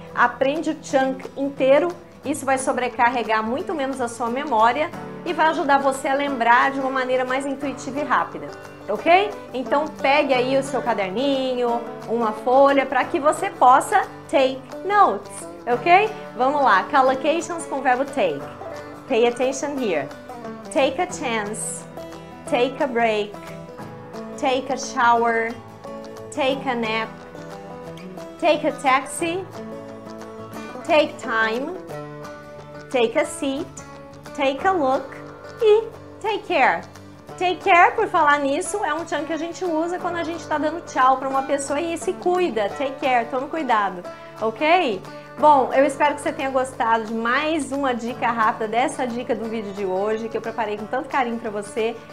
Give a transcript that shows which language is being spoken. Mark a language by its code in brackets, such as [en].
[pt] Aprende o chunk inteiro, isso vai sobrecarregar muito menos a sua memória e vai ajudar você a lembrar de uma maneira mais intuitiva e rápida, ok? Então pegue aí o seu caderninho, uma folha, para que você possa [en] take notes, [pt] ok? Vamos lá, collocations com o verbo take. [en] Pay attention here. Take a chance, take a break, take a shower, take a nap, take a taxi, take time, take a seat, take a look e take care. [pt] Take care, por falar nisso, é um chunk que a gente usa quando a gente está dando tchau para uma pessoa e se cuida, [en] take care, [pt] toma cuidado, ok? Bom, eu espero que você tenha gostado de mais uma dica rápida dessa dica do vídeo de hoje que eu preparei com tanto carinho para você.